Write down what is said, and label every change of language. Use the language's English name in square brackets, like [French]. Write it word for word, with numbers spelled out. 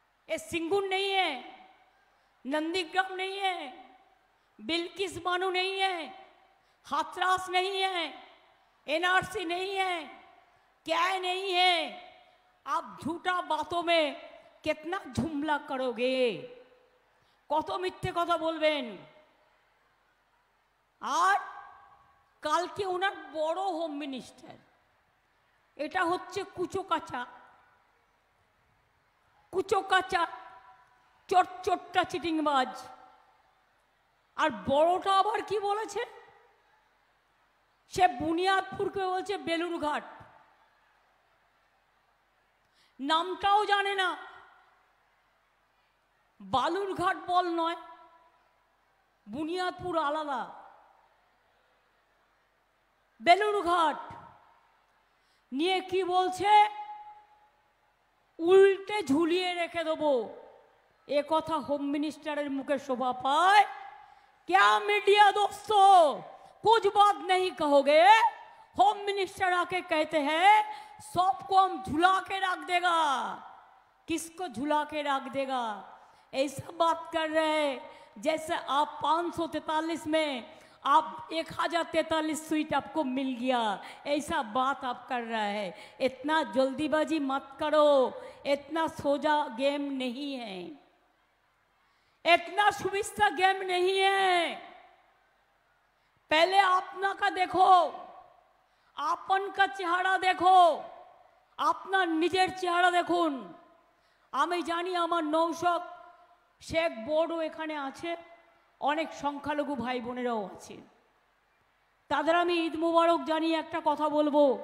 [Hindi] ये सिंगुन नहीं है, नंदीग्राम नहीं है, बिल्किस बानू नहीं है, हाथरस नहीं है, एनआरसी नहीं है, क्या नहीं है। आप झूठा बातों में कितना झुमला करोगे, [Bangla] কত মিথ্যে কথা বলবেন। আর কালকে ওনার বড় হোম মিনিস্টার, এটা হচ্ছে কুচোকাচা, কুচোকাচা চটচটটা চিটিংবাজ। আর বড়টা আবার কি বলেছে, সে বুনিয়াদপুরকে বলছে বেলুরঘাট, নামটাও জানে না। বালুরঘাট বল নয়, বুনিয়াদপুর আলাদা, বেলুরঘাট নিয়ে কি বলছে, উল্টে ঝুলিয়ে রেখে দেবো। এ কথা হোম মিনিস্টারের মুখে শোভা পায়? [Hindi] क्या मीडिया दोस्तों, कुछ बात नहीं कहोगे? होम मिनिस्टर आके कहते हैं सबको हम झुला के रख देगा। किसको झुला के रख देगा? ऐसा बात कर रहे जैसे आप पाँच सौ तैतालीस में आप एक हज़ार तैतालीस सीट आपको मिल गया, ऐसा बात आप कर रहा है। इतना जल्दीबाजी मत करो, इतना सोजा गेम नहीं है, इतना सुविस्ता गेम नहीं है। पहले अपना का देखो, आपन का [Bangla] চেহারা দেখো, আপনার নিজের চেহারা দেখুন। আমি জানি আমার নৌশক শেখ বোর্ডও এখানে আছে, অনেক সংখ্যালঘু ভাই বোনেরাও আছে, তাদের আমি ঈদ মুবারক জানিয়ে একটা কথা বলবো।